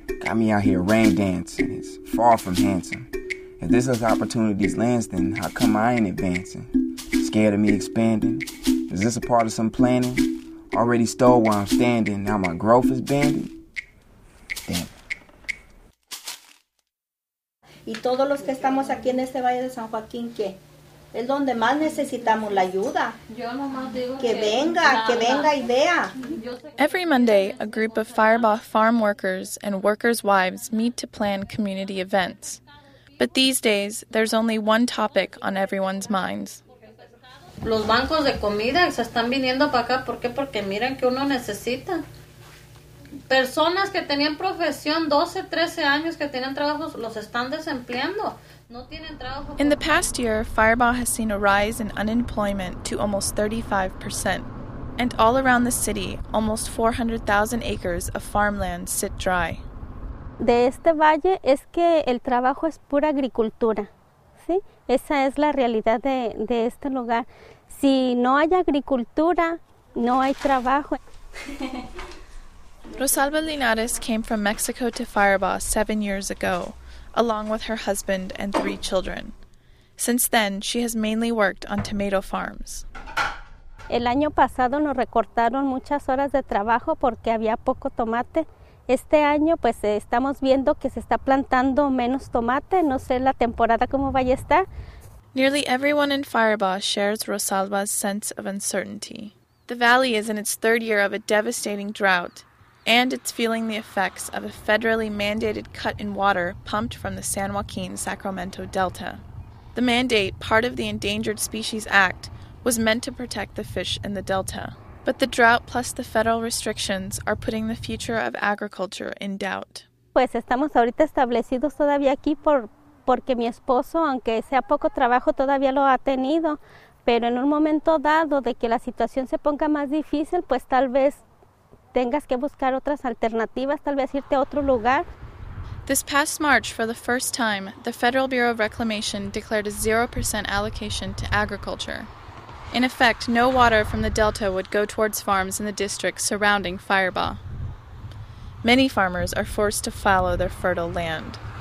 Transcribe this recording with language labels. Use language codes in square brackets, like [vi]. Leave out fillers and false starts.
[en] Got me out here rain dancing, it's far from handsome. If this is opportunity's lands, then how come I ain't advancing? Scared of me expanding? Is this a part of some planning? Already stole where I'm standing, now my growth is banded? Damn. [es] Y todos los que estamos aquí en este Valle de San Joaquín, ¿qué? Es donde más necesitamos la ayuda. Yo nomás digo que venga y vea. [en] Every Monday, a group of Feuerbach farm workers and workers' wives meet to plan community events. But these days, there's only one topic on everyone's minds. [es] Los bancos de comida se están viniendo para acá. ¿Por qué? Porque miren que uno necesita. Personas que tenían profesión 12, 13 años que tienen trabajos, los están desempleando. [en] In the past year, Feuerbach has seen a rise in unemployment to almost 35%. And all around the city, almost 400,000 acres of farmland sit dry. [es] De este valle es que el trabajo es pura agricultura. ¿Sí? Esa es la realidad de este lugar. Si no hay agricultura, no hay trabajo. [en] Rosalba Linares came from Mexico to Feuerbach 7 years ago, along with her husband and three children. Since then, she has mainly worked on tomato farms. [es] El año pasado nos recortaron muchas horas de trabajo porque había poco tomate. Este año, pues, estamos viendo que se está plantando menos tomate. No sé la temporada cómo vaya a estar. [en] Nearly everyone in Feuerbach shares Rosalba's sense of uncertainty. The valley is in its third year of a devastating drought. and it's feeling the effects of a federally mandated cut in water pumped from the San Joaquin-Sacramento Delta. The mandate, part of the Endangered Species Act, was meant to protect the fish in the Delta. But the drought plus the federal restrictions are putting the future of agriculture in doubt. [es] Pues estamos ahorita establecidos todavía aquí porque mi esposo, aunque sea poco trabajo, todavía lo ha tenido. Pero en un momento dado de que la situación se ponga más difícil, pues tal vez tengas que buscar otras alternativas, tal vez irte a otro lugar. [en] This past March, for the first time, the Federal Bureau of Reclamation declared a 0% allocation to agriculture. In effect, no water from the Delta would go towards farms in the district surrounding Firebaugh. Many farmers are forced to fallow their fertile land.